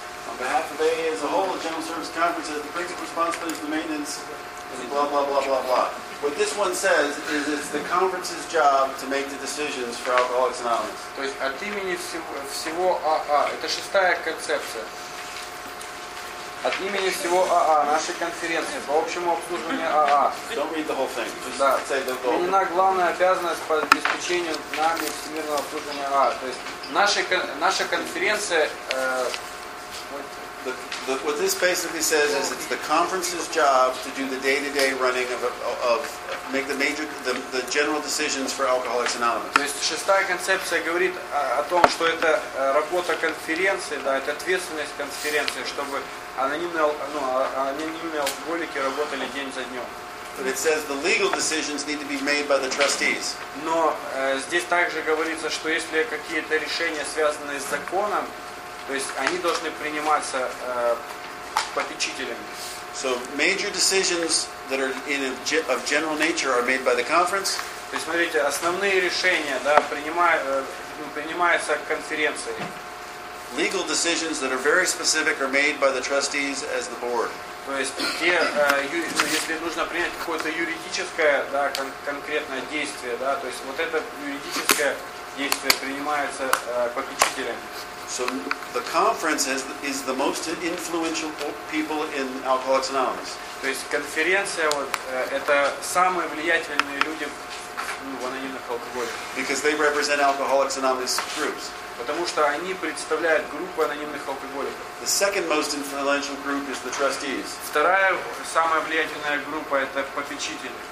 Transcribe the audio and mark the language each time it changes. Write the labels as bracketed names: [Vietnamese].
[English] On behalf of AA as a whole, the General Service Conference has the principal responsibility for maintenance. Blah, blah, blah, blah, blah. What this one says is it's the conference's job to make the decisions for Alcoholics Anonymous. [Russian] То есть от имени всего АА, это шестая концепция. От имени всего АА, нашей конференции, по общему обслуживанию АА. [English] Don't read the whole thing. Just say the goal. [Russian] Именно главная обязанность по обеспечению нами всемирного обслуживания АА. То есть наша конференция... [English] What this basically says is it's the conference's job to do the day-to-day running of make the major the general decisions for Alcoholics Anonymous. [Russian] То есть шестая концепция говорит о том, что это работа конференции, да, это ответственность конференции, чтобы анонимные алкоголики работали день за днем. [English] But it says the legal decisions need to be made by the trustees. [Russian] Но здесь также говорится, что если какие-то решения, связанные с законом, то есть они должны приниматься попечителями. [English] So major decisions that are of general nature are made by the conference. [Russian] То есть смотрите, основные решения, да, принимаются конференцией. [English] Legal decisions that are very specific are made by the trustees as the board. [Russian] То есть где если нужно принять какое-то юридическое, да, конкретное действие, да, то есть вот это юридическое действие принимается попечителями. [English] So the conference is the most influential people in Alcoholics Anonymous. [Russian] То есть конференция вот это самые влиятельные люди в анонимных алкоголиках. [English] Because they represent Alcoholics Anonymous groups. [Russian] Потому что они представляют группу анонимных алкоголиков. [English] The second most influential group is the trustees. [Russian] Вторая самая влиятельная группа это попечители.